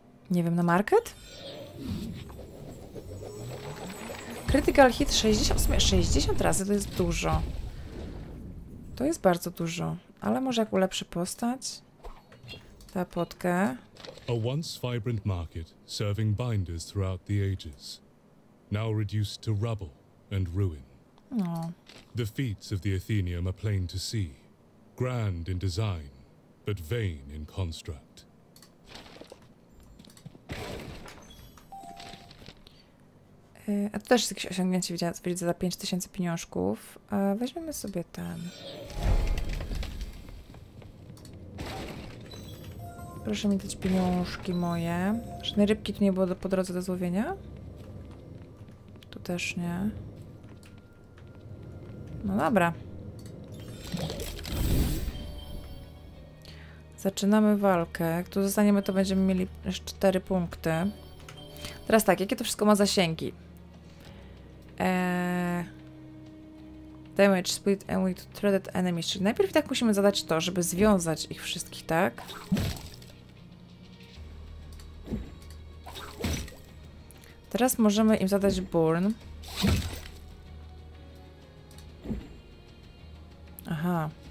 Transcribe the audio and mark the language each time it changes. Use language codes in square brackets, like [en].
[pl] Nie wiem, na market? Critical hit 60 razy, to jest dużo. To jest bardzo dużo. Ale może jak ulepszy postać? Ta potkę. [en] A once vibrant market, serving binders throughout the ages. Now reduced to rubble and ruin. [pl] No. [en] The feats of the Athenium are plain to see. Grand in design, but vain in construct. [pl] A to też jakieś osiągnięcie widzę za 5000 pieniążków. A weźmiemy sobie ten. Proszę mi dać pieniążki moje. Żadnej rybki tu nie było po drodze do złowienia? Tu też nie. No dobra. Zaczynamy walkę. Jak tu zostaniemy, to będziemy mieli 4 punkty. Teraz tak, jakie to wszystko ma zasięgi? [en] Damage, split enemy to threaded enemies. [pl] Czyli najpierw tak musimy zadać to, żeby związać ich wszystkich, tak? Teraz możemy im zadać burn. Aha.